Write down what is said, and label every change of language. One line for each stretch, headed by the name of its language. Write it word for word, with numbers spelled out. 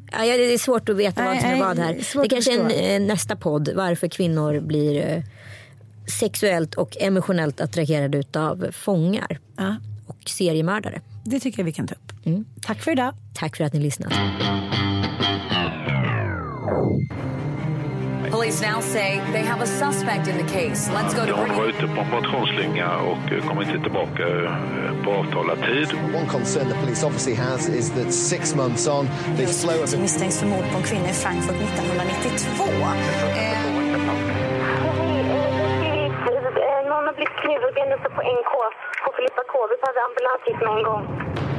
Swedish: Ja, det är svårt att veta vad som är vad här. Det är kanske är en, eh, nästa podd, varför kvinnor blir... Eh, sexuellt och emotionellt attraherade utav fångar ja. och seriemördare. Det tycker jag vi kan ta upp. Mm. Tack för idag. Tack för att ni lyssnade.
English: Police now say they have a suspect in the case. Let's go to...
Swedish: Hon var ute på en motionsslinga och kom inte tillbaka på avtalad tid.
English: One concern the police obviously has is that six months on they slow...
Swedish: Det misstänks för mord på en kvinna i Frankfurt nittonhundranittiotvå. Eh... Hon har blivit knivhuggen uppe på N K, på Filippa K. Vi hade ambulans hit med en gång.